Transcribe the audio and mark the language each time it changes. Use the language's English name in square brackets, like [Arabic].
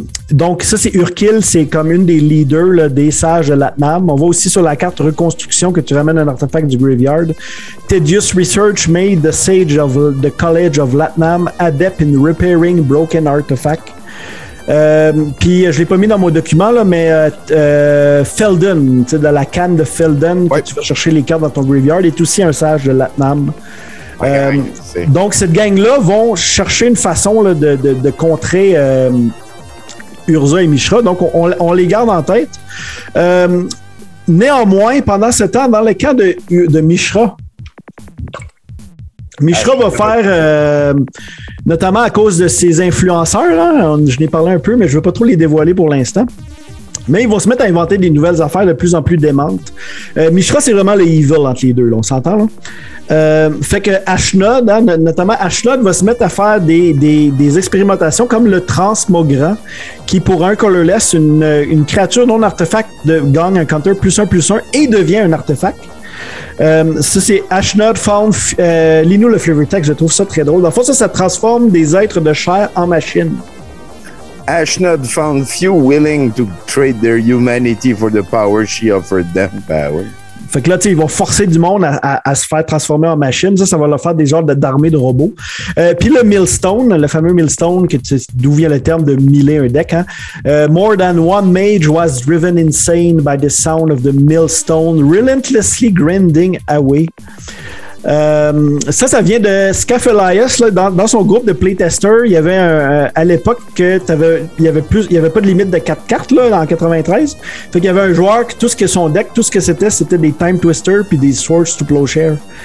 [French] Donc ça, c'est Urkill, c'est comme une des leaders là, des sages de l'Atnam. On voit aussi sur la carte Reconstruction que tu ramènes un artefact du graveyard. [English] Tedious research made the sage of the College of l'Atnam adept in repairing broken artifacts. [French] Puis je l'ai pas mis dans mon document là, mais Felden, tu sais, dans la canne de Felden, ouais, que tu vas chercher les cartes dans ton graveyard, est aussi un sage de l'Atnam. Donc cette gang-là vont chercher une façon là, de contrer Urza et Mishra. Donc on les garde en tête. Néanmoins, pendant ce temps, dans le camp de Mishra. Mishra va faire, notamment à cause de ses influenceurs, là, je n'ai parlé un peu, mais je ne veux pas trop les dévoiler pour l'instant. Mais ils vont se mettre à inventer des nouvelles affaires de plus en plus démentes. Mishra, c'est vraiment le evil entre les deux, là, on s'entend. Là. Fait que Ashnod, hein, notamment Ashnod, va se mettre à faire des expérimentations comme le Transmogrant, qui pour un colorless, une créature non artefact gagne un counter +1/+1 et devient un artefact. Ça c'est Ashnod Found. Lis-nous le flavor text, je trouve ça très drôle. Dans le fond, ça transforme des êtres de chair en machines. [English] Ashnod Found few willing to trade their humanity for the power she offered them. [French] Bah, ouais. Fait que là, ils vont forcer du monde à se faire transformer en machines. Ça va leur faire des genres d'armées de robots. Puis le Millstone, le fameux Millstone, d'où vient le terme de miller un deck. Hein? [English] More than one mage was driven insane by the sound of the Millstone relentlessly grinding away. [French] Ça vient de Scaf Elias, là, dans son groupe de playtester. Il y avait à l'époque que il y avait pas de limite de 4 cartes là, en 93. Fait qu'il y avait un joueur que tout ce que son deck, tout ce que c'était des Time Twister puis des Swords to Plowshare.